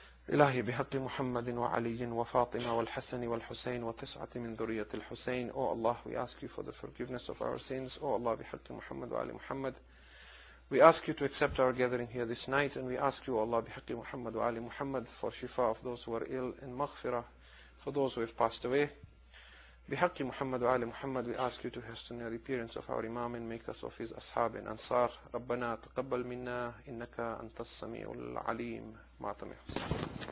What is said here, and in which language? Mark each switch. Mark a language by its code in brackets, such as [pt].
[ar] إلهي بحق محمد وعلي وفاطمة والحسن والحسين وتسعة من ذرية الحسين. [en] O Allah, we ask you for the forgiveness of our sins. O Allah, [ar] بحق محمد وعلي محمد. [en] We ask you to accept our gathering here this night, and we ask you, O Allah, [ar] بحق محمد وعلي محمد, [en] for shifa of those who are ill and maghfira for those who have passed away. [ar] بحق محمد وعلي محمد, [en] we ask you to hasten the appearance of our Imam and make us of his ashab and ansar. [ar] ربنا تقبل منا إنك أنت السميع العليم. Mata meu.